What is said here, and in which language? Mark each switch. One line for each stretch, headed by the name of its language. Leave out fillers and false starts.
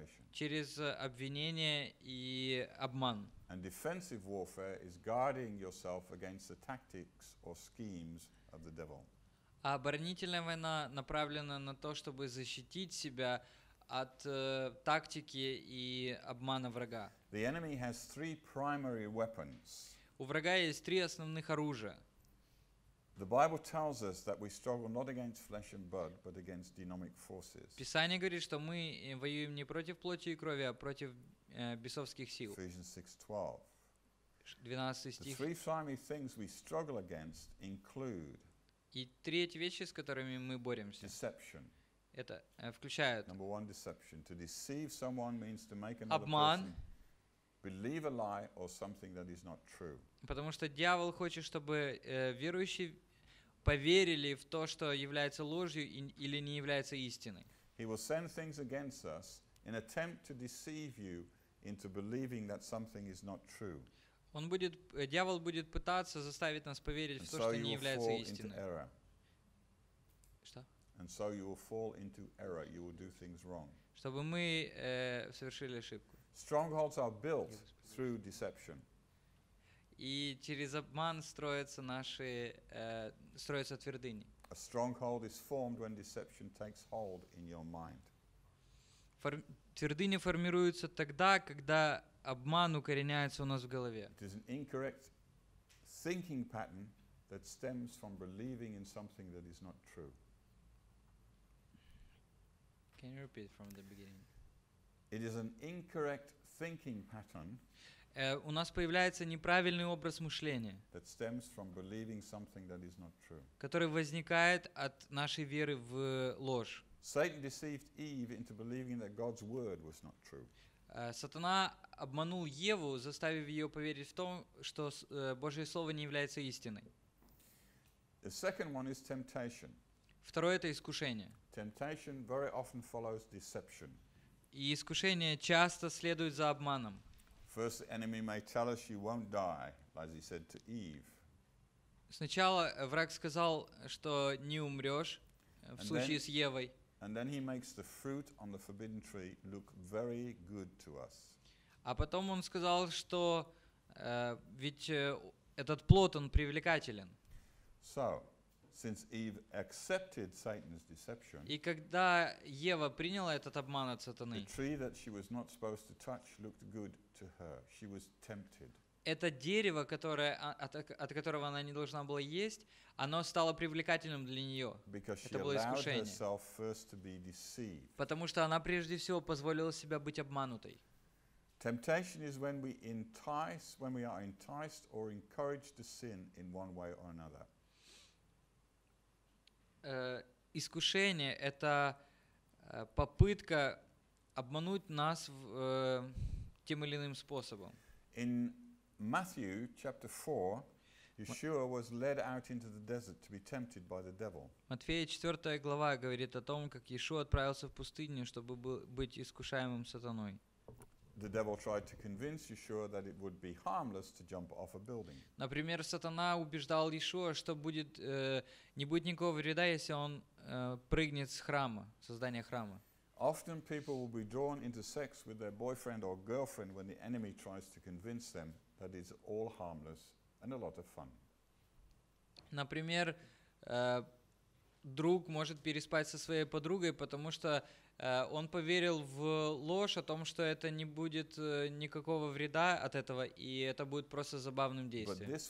Russian: Через обвинение и обман.
English: And defensive warfare is guarding yourself against the tactics or schemes of the devil.
Russian: А оборонительная война направлена на то, чтобы защитить себя от тактики и обмана врага.
English: The enemy has three primary weapons.
Russian: У врага есть три основных оружия.
English: The Bible tells us that we struggle not against flesh and blood, but against demonic forces.
Russian: Писание говорит, что мы воюем не против плоти и крови, а против бесовских сил.
English: Ephesians 6:12.
Russian: 12 стих.
English: The three primary things we struggle against include.
Russian: И третьи вещи, с которыми мы боремся.
English: Deception.
Russian: Это включает.
English: Number one, deception. To deceive someone means to make another person believe a lie or something that is not true.
Russian: Потому что дьявол хочет, чтобы верующие поверили в то, что является ложью или не является истиной.
English: He will send things against us in attempt to deceive you into believing that something is not true.
Russian: Он будет, дьявол будет пытаться заставить нас поверить в то, что не является истиной. Что?
English: And so you will fall into error. You will do things wrong.
Russian: Чтобы мы совершили ошибку.
English: Strongholds are built through deception.
Russian: И через обман строятся наши строятся твердыни.
English: A stronghold is formed when deception takes hold in your mind.
Russian: Твердыни формируются тогда, когда обман укореняется у нас в голове.
English: It is an incorrect thinking pattern that stems from believing in something that is not true. Can you repeat from the beginning? It is an incorrect thinking pattern.
Russian: У нас появляется неправильный образ мышления,
English: that stems from believing something that is not true.
Russian: Который возникает от нашей веры в ложь.
English: Satan deceived Eve into believing that God's word was not true.
Russian: Сатана обманул Еву, заставив ее поверить в то, что Божье слово не является истиной.
English: The second one is temptation.
Russian: Второе — это искушение.
English: Temptation very often follows deception.
Russian: И искушение часто следует за обманом.
English: First, the enemy may tell us you won't die, as he said to Eve.
Russian: Сначала враг сказал, что не умрешь в случае с Евой.
English: And then he makes the fruit on the forbidden tree look very good to us.
Russian: А потом он сказал, что ведь этот плод, он привлекателен.
English: So, Since Eve accepted Satan's deception,
Russian: и когда Ева приняла этот обман от сатаны,
English: the tree that she was not supposed to touch looked good to her. She was tempted.
Russian: Это дерево, которое, от которого она не должна была есть, оно стало привлекательным для нее.
English: Because
Russian: это было искушение.
English: She allowed herself first to be deceived.
Russian: Потому что она прежде всего позволила себя быть обманутой.
English: Temptation is when we entice, when we are enticed or encouraged to sin in one way or another.
Russian: Искушение — это попытка обмануть нас тем или иным способом.
English: In Matthew chapter 4, Yeshua was led out into the desert to be tempted by the devil.
Russian: Матфея 4 глава говорит о том, как Иешуа отправился в пустыню, чтобы быть искушаемым сатаной.
English: The devil tried to convince Yeshua that it would be harmless to jump off a building.
Russian: Например, сатана убеждал Иешуа, что будет не будет никакого вреда, если он прыгнет с храма, со здания храма.
English: Often people will be drawn into sex with their boyfriend or girlfriend when the enemy tries to convince them that it's all harmless and a lot of fun.
Russian: Например, друг может переспать со своей подругой, потому что он поверил в ложь о том, что это не будет никакого вреда от этого, и это будет просто забавным действием.